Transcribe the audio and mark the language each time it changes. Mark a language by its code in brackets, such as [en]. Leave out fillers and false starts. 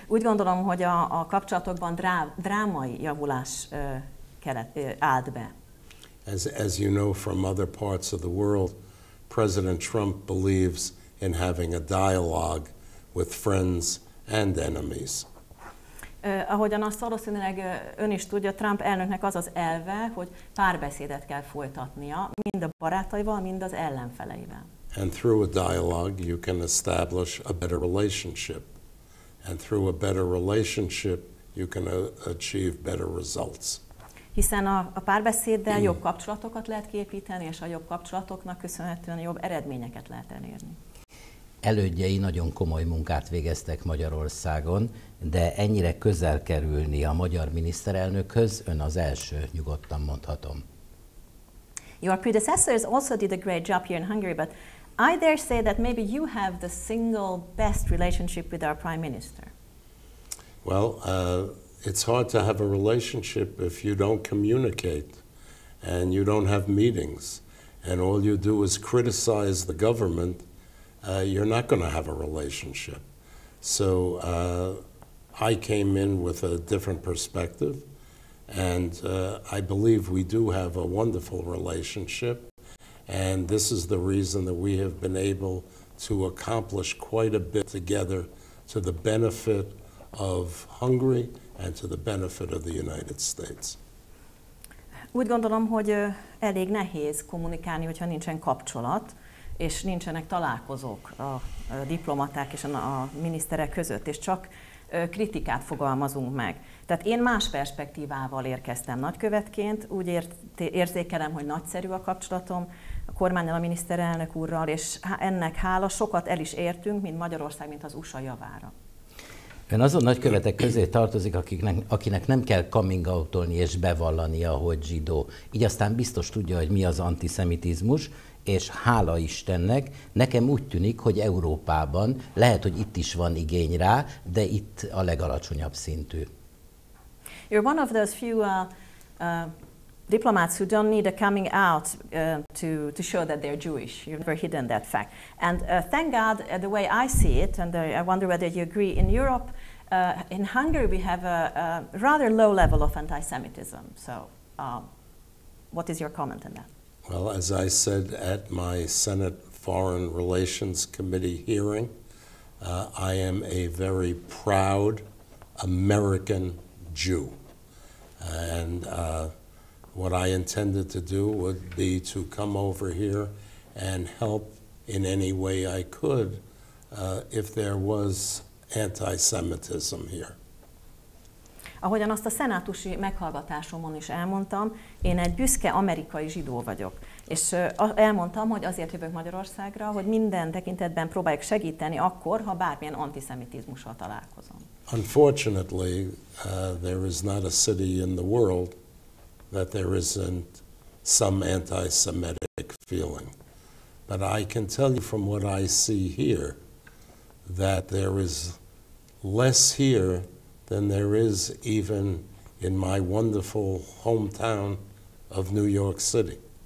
[hu] Úgy gondolom, hogy a kapcsolatokban drámai javulás állt be. [en] As you know from other parts of the world, President Trump believes in having a dialogue with friends and enemies. [hu] Ahogyan azt valószínűleg ön is tudja, Trump elnöknek az az elve, hogy párbeszédet kell folytatnia, mind a barátaival, mind az ellenfeleivel. [en] And through a dialogue you can establish a better relationship. And through a better relationship you can achieve better results. [hu] Hiszen a párbeszéddel jobb kapcsolatokat lehet kiépíteni, és a jobb kapcsolatoknak köszönhetően jobb eredményeket lehet elérni. Elődjei nagyon komoly munkát végeztek Magyarországon, de ennyire közel kerülni a magyar miniszterelnökhöz, ön az első, nyugodtan mondhatom. [en] Your predecessors also did a great job here in Hungary, but I dare say that maybe you have the single best relationship with our prime minister. Well, it's hard to have a relationship if you don't communicate and you don't have meetings and all you do is criticize the government, you're not going to have a relationship. So I came in with a different perspective. And I believe we do have a wonderful relationship, and this is the reason that we have been able to accomplish quite a bit together to the benefit of Hungary and to the benefit of the United States. [hu] Úgy gondolom, hogy elég nehéz kommunikálni, hogyha nincsen kapcsolat, és nincsenek találkozók a diplomaták és a miniszterek között, és csak kritikát fogalmazunk meg. Tehát én más perspektívával érkeztem nagykövetként, úgy érzékelem, hogy nagyszerű a kapcsolatom a kormánnyal, a miniszterelnök úrral, és ennek hála sokat el is értünk, mint Magyarország, mint az USA javára. Ön azon nagykövetek közé tartozik, akinek nem kell coming out-olni és bevallania, hogy zsidó. Így aztán biztos tudja, hogy mi az antiszemitizmus, és hála Istennek, nekem úgy tűnik, hogy Európában, lehet, hogy itt is van igény rá, de itt a legalacsonyabb szintű. [en] You're one of those few diplomats who don't need a coming out to show that they're Jewish. You've never hidden that fact. And thank God, the way I see it, and I wonder whether you agree, in Europe, in Hungary, we have a rather low level of anti-Semitism. So what is your comment on that? Well, as I said at my Senate Foreign Relations Committee hearing, I am a very proud American Jew. And what I intended to do would be to come over here and help in any way I could if there was anti-Semitism here. [hu] Ahogyan azt a szenátusi meghallgatásomon is elmondtam, én egy büszke amerikai zsidó vagyok. És elmondtam, hogy azért jövök Magyarországra, hogy minden tekintetben próbáljuk segíteni akkor, ha bármilyen antiszemitizmussal találkozom. [en] Unfortunately, there is not a city in the world that there isn't some anti-Semitic feeling. But I can tell you from what I see here that there is less here than there is even in my wonderful hometown of New York City.